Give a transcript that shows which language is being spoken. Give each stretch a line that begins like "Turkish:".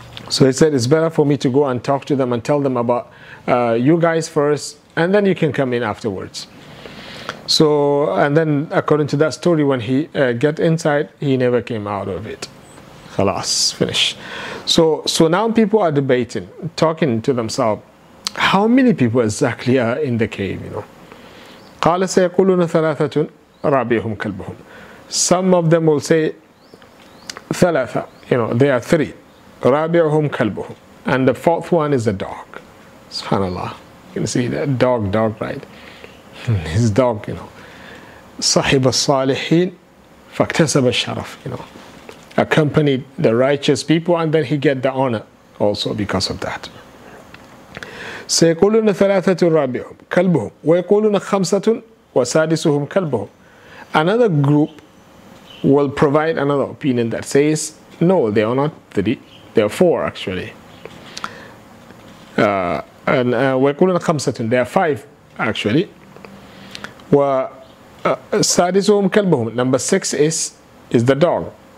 English: So he said, it's better for me to go and talk to them and tell them about you guys first, and then you can come in afterwards. So, and then according to that story, when he get inside, he never came out of it. Khalas, finish. So now people are debating, talking to themselves, how many people exactly are in the cave, you know?
Arabic: قال سيقولون ثلاثة رابعهم كلبهم.
English: Some of them will say ثلاثة, you know, they are three.
Arabic: رابعهم كلبهم.
English: And the fourth one is a dog. SubhanAllah. You can see that dog, right? His dog, you know.
Arabic: صاحب الصالحين فاكتسب الشرف,
English: you know. accompanied the righteous people, and then he get the honor also because of that.
Arabic: سيقولون ثلاثة ربعهم كلبهم ويقولون خمسة وسادسهم كلبهم.
English: Another group will provide another opinion that says, no, they are not three, they are four actually.
Arabic: ويقولون خمسة,
English: they are five actually.
Arabic: وسادسهم كلبهم,
English: number six is the dog.